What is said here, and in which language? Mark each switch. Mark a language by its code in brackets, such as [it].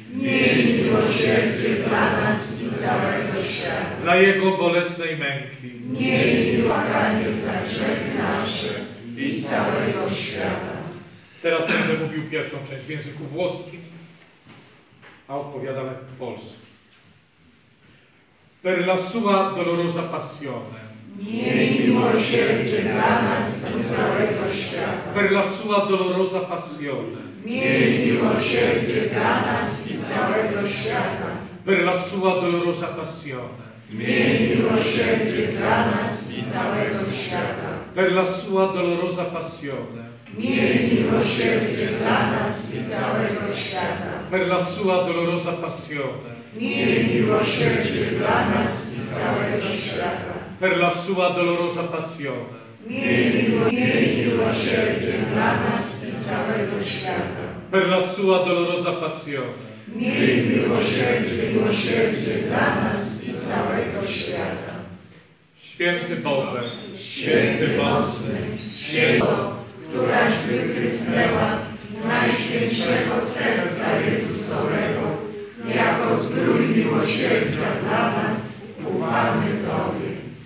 [pl] Miej miłosierdzie dla nas i całego świata. Dla Jego bolesnej męki. Miej miłosierdzie za grzechy nasze i całego świata. Teraz będę mówił pierwszą część w języku włoskim, a odpowiadamy w polsku. [it] Per la sua dolorosa passione. [pl] Miej miłosierdzie dla nas i całego świata. [it] Per la sua dolorosa passione. [pl] Miej miłosierdzie dla nas i całego świata. [it] Per la sua dolorosa passione. [pl] Miej miłosierdzie dla nas i całego świata. [it] Per la sua dolorosa passione. [pl] Miej miłosierdzie dla nas i całego świata. [it] Per la sua dolorosa passione. [pl] Miej miłosierdzie dla nas i całego świata. [it] Per la sua dolorosa passione. [pl] Miej miłosierdzie dla nas i całego świata. [it] Per la sua dolorosa passione. [pl] Miej miłosierdzie dla nas i całego świata. Święty Boże, Święty Mocny, Święto, któraś wytrysnęła z Najświętszego Serca Jezusowego, jako zdrój miłosierdzia dla nas, ufamy Tobie.